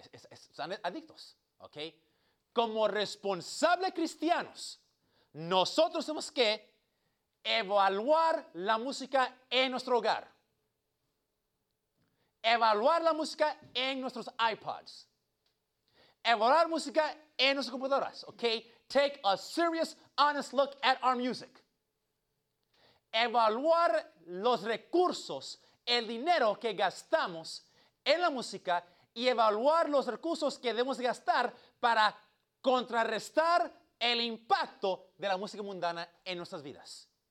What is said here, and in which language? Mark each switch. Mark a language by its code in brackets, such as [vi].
[es] Están adictos, ¿ok? Como responsables cristianos, nosotros tenemos que evaluar la música en nuestro hogar. Evaluar la música en nuestros iPods. Evaluar música en nuestras computadoras, ¿ok? [en] Take a serious, honest look at our music. [es] Evaluar los recursos, el dinero que gastamos en la música y evaluar los recursos que debemos gastar para contrarrestar el impacto de la música mundana en nuestras vidas.